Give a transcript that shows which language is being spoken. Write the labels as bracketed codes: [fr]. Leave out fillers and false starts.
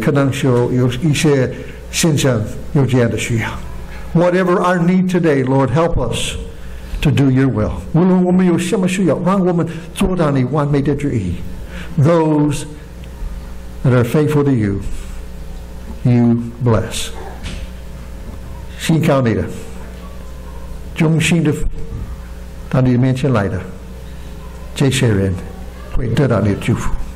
[zh] 可能有一些先生有这样的需要。 [en] Whatever our need today, Lord, help us to do your will. [zh] 无论我们有什么需要，让我们做到你完美的旨意。 [en] Those that are faithful to you, you bless. [zh] 信靠你的，忠心的到你面前来的，这些人会得到你的祝福。